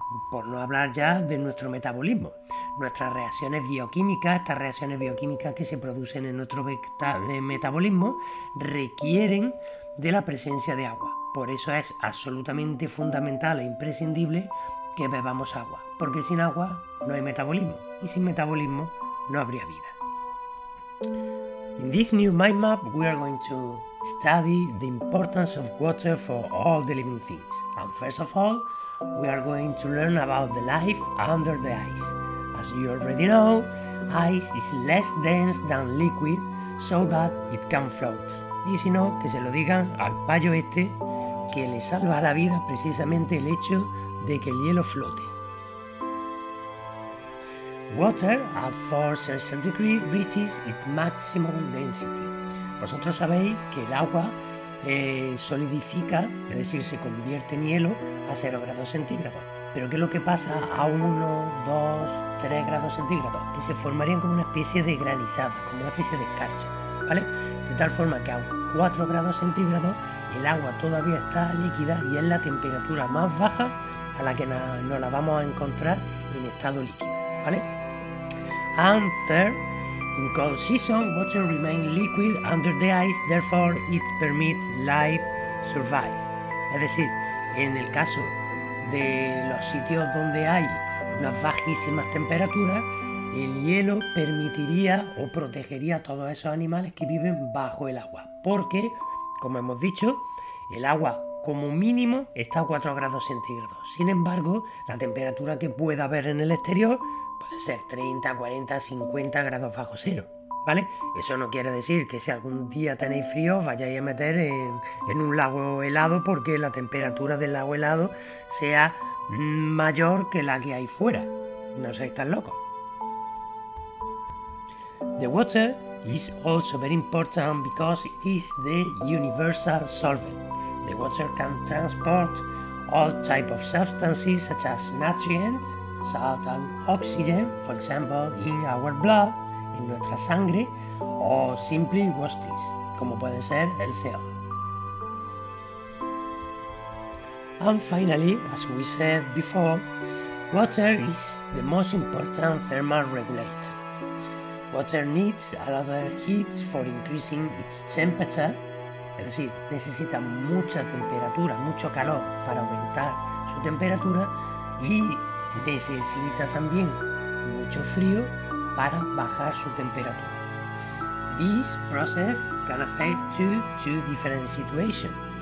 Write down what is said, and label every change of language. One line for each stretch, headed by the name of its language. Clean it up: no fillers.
Spanish: Por no hablar ya de nuestro metabolismo, nuestras reacciones bioquímicas, estas reacciones bioquímicas que se producen en nuestro metabolismo, requieren de la presencia de agua. Por eso es absolutamente fundamental e imprescindible que bebamos agua, porque sin agua no hay metabolismo, y sin metabolismo no habría vida.
English: In this new mind map, we are going to study the importance of water for all the living things. And first of all, we are going to learn about the life under the ice. As you already know, ice is less dense than liquid, so that it can float.
Spanish: Y si no, que se lo digan al payo este, que le salva la vida precisamente el hecho de que el hielo flote.
English: Water at 4 Celsius degree reaches its maximum density.
Spanish: Vosotros sabéis que el agua solidifica, es decir, se convierte en hielo a 0 grados centígrados. Pero ¿qué es lo que pasa a 1, 2, 3 grados centígrados? Que se formarían como una especie de granizada, como una especie de escarcha, ¿vale? De tal forma que a 4 grados centígrados el agua todavía está líquida y es la temperatura más baja a la que nos la vamos a encontrar en estado líquido, ¿vale?
English: And third, in cold season, water remains liquid under the ice, therefore it permits life survive.
Spanish: Es decir, en el caso de los sitios donde hay unas bajísimas temperaturas, El hielo permitiría o protegería a todos esos animales que viven bajo el agua, porque, como hemos dicho, el agua como mínimo está a 4 grados centígrados. Sin embargo, la temperatura que pueda haber en el exterior puede ser 30, 40, 50 grados bajo cero, ¿vale? Eso no quiere decir que si algún día tenéis frío os vayáis a meter en un lago helado porque la temperatura del lago helado sea mayor que la que hay fuera. No seáis tan locos.
English: The water is also very important because it is the universal solvent. The water can transport all types of substances such as nutrients, salt and oxygen, for example, in our blood,
Spanish: en nuestra sangre,
English: o simply wastes,
Spanish: como puede ser el CO.
English: And finally, as we said before, water is the most important thermal regulator. Water needs a lot of heat for increasing its temperature.
Spanish: Es decir, necesita mucha temperatura, mucho calor para aumentar su temperatura y necesita también mucho frío para bajar su temperatura.
English: This process can affect two different situations.